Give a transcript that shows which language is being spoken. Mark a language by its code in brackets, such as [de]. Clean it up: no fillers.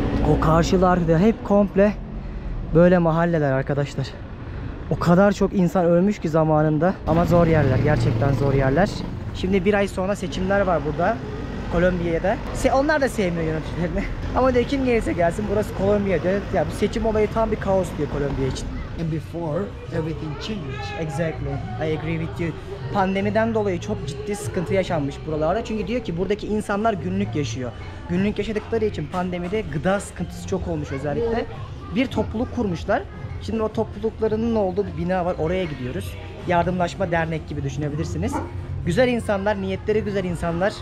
[tr] O karşılarda hep komple böyle mahalleler arkadaşlar. O kadar çok insan ölmüş ki zamanında. Ama zor yerler, gerçekten zor yerler. Şimdi bir ay sonra seçimler var burada, Kolombiya'da. Onlar da sevmiyor yöneticilerini. Ama diyor kim gelirse gelsin burası Kolombiya. Ya bu seçim olayı tam bir kaos diyor Kolombiya için. [en] And before everything changed. Exactly. I agree with you. [tr] Pandemiden dolayı çok ciddi sıkıntı yaşanmış buralarda. Çünkü diyor ki buradaki insanlar günlük yaşıyor. Günlük yaşadıkları için pandemide gıda sıkıntısı çok olmuş özellikle. Bir topluluk kurmuşlar. Şimdi o topluluklarının olduğu bir bina var. Oraya gidiyoruz. Yardımlaşma dernek gibi düşünebilirsiniz. Güzel insanlar, niyetleri güzel insanlar.